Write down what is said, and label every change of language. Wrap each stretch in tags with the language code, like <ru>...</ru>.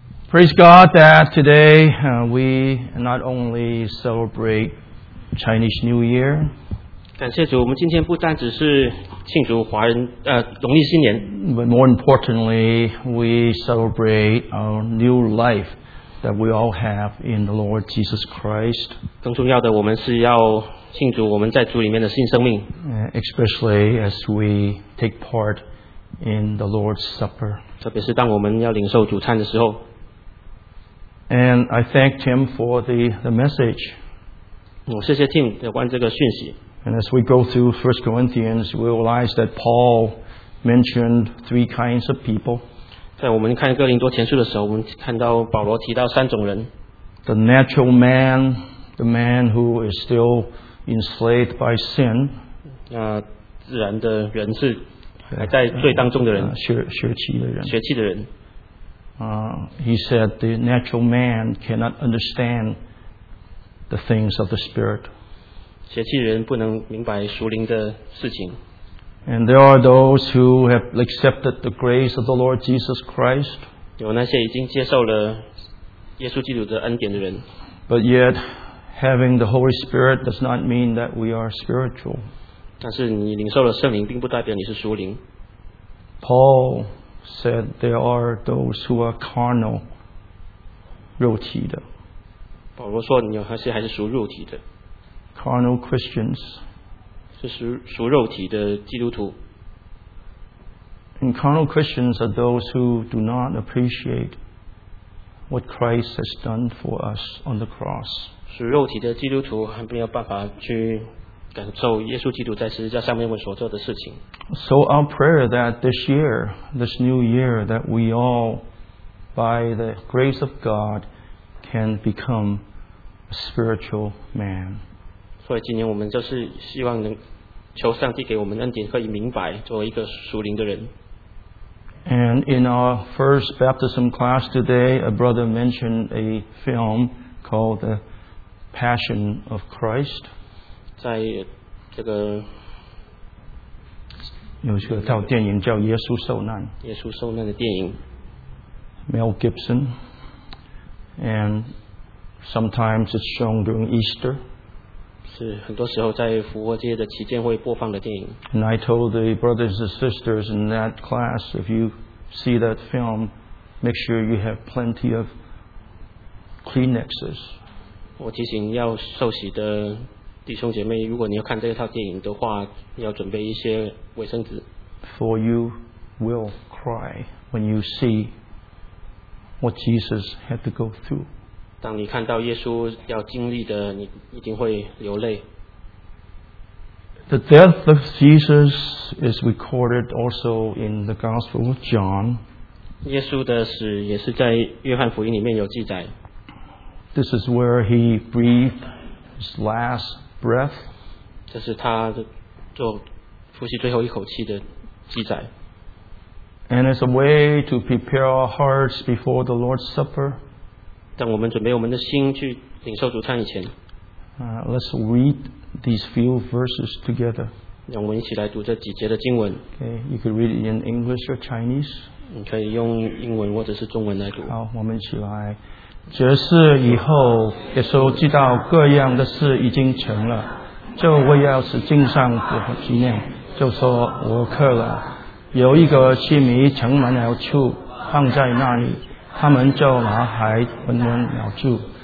<en>Praise God that today we not only celebrate Chinese New Year.</en> <zh>感谢主，我们今天不单只是庆祝华人农历新年</zh> <en>，but more importantly, we celebrate our new life that we all have in the Lord Jesus Christ.</en> <zh>更重要的，我们是要庆祝我们在主里面的新生命</zh> <en>，especially as we take part in the Lord's Supper.</en> <zh>特别是当我们要领受主餐的时候。</zh> <en>And I thank Tim for the message.</en> <zh>我谢谢 Tim 有关这个讯息。</zh> <en>And as we go through 1 Corinthians, we realize that Paul mentioned three kinds of people.</en> <zh>在我们看哥林多前书的时候，我们看到保罗提到三种人。</zh> <en>The natural man, the man who is still enslaved by sin.</en> <zh>自然的人是还在罪当中的人。血气的人。</zh> <en>He said the natural man cannot understand the things of the Spirit.</en> <zh>邪气人不能明白属灵的事情。</zh> <en>And there are those who have accepted the grace of the Lord Jesus Christ.</en> <zh>有那些已经接受了耶稣基督的恩典的人。</zh> <en>But yet, having the Holy Spirit does not mean that we are spiritual.</en> <zh>但是你领受了圣灵，并不代表你是属灵。</zh> <en>Paul said there are those who are carnal,</en> <zh>肉体的。保罗说你有些还是属肉体的。</zh> <en>Carnal Christians.</en> <zh>是属肉体的基督徒。</zh> <en>And carnal Christians are those who do not appreciate what Christ has done for us on the cross.</en> <zh>属肉体的基督徒还没有办法去感受耶稣基督在十字架上面为所做的事情。</zh> <en>So our prayer that this year, this new year, that we all, by the grace of God, can become a spiritual man.</en> <zh>所以今年我们就是希望能求上帝给我们恩典，可以明白作为一个属灵的人。</zh> <en>And in our first baptism class today, a brother mentioned a film called The Passion of Christ.</en> <zh>在这个有一个套电影叫《耶稣受难》。耶稣受难的电影。</zh> <en>Mel Gibson. And sometimes it's shown during Easter.</en> <zh>是很多时候在复活节的期间会播放的电影。</zh> <en>And I told the brothers and sisters in that class, if youSee that film, make sure you have plenty of Kleenexes.</en> <zh>我提醒要受洗的弟兄姐妹，如果你要看这套电影的话，要准备一些卫生纸。</zh> <en>For you will cry when you see what Jesus had to go through.</en> <zh>当你看到耶稣要经历的，你一定会流泪。</zh> <en>The death of Jesus is recorded also in the Gospel of John.</en> <zh>耶稣的死也是在约翰福音里面有记载。</zh> <en>This is where he breathed his last breath.</en> <zh>这是他做呼吸最后一口气的记载。</zh> <en>And it's a way to prepare our hearts before the Lord's Supper.</en> <zh>当我们准备我们的心去领受主餐以前。</zh> <en>Let's read these few verses together.</en> <zh>让我们一起来读这几节的经文。</zh> <en>Okay, you can read it in English or Chinese.</en> <zh>你可以用英文或者是中文来读。好，我们一起来。这事以后，耶稣知道各样的事已经成了，就为要使经上所纪念，就说：“我渴了。” 有一个器皿盛满了醋，放在那里，他们就拿海温温了醋。</zh>